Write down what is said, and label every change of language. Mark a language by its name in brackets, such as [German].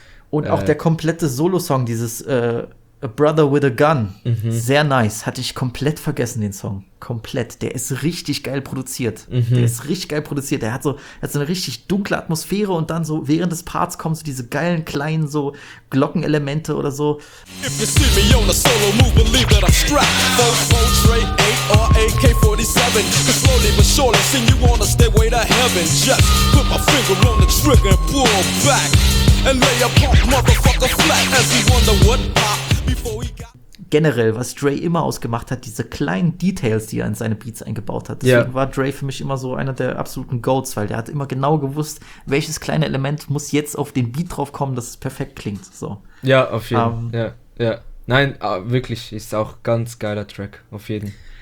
[German] Und auch der komplette Solo-Song, dieses A Brother with a Gun, sehr nice, hatte ich komplett vergessen, den Song. Komplett. Der ist richtig geil produziert. Mhm. Der ist richtig geil produziert. Der hat so, eine richtig dunkle Atmosphäre und dann so während des Parts kommen so diese geilen kleinen so Glockenelemente oder so. [English] If you see me on a solo move, believe that I'm strapped. 4-4-8-8-AK-47. Cause slowly but surely, sing you on a stairway to heaven. Just put my finger on the trigger and pull back. And lay a punk motherfucker flat as he wonder what pop. [German] Generell, was Dre immer ausgemacht hat, diese kleinen Details, die er in seine Beats eingebaut hat. Deswegen war Dre für mich immer so einer der absoluten Goats, weil der hat immer genau gewusst, welches kleine Element muss jetzt auf den Beat drauf kommen, dass es perfekt klingt. So. Ja, auf jeden Fall. Nein, wirklich, ist auch ganz geiler Track, auf jeden.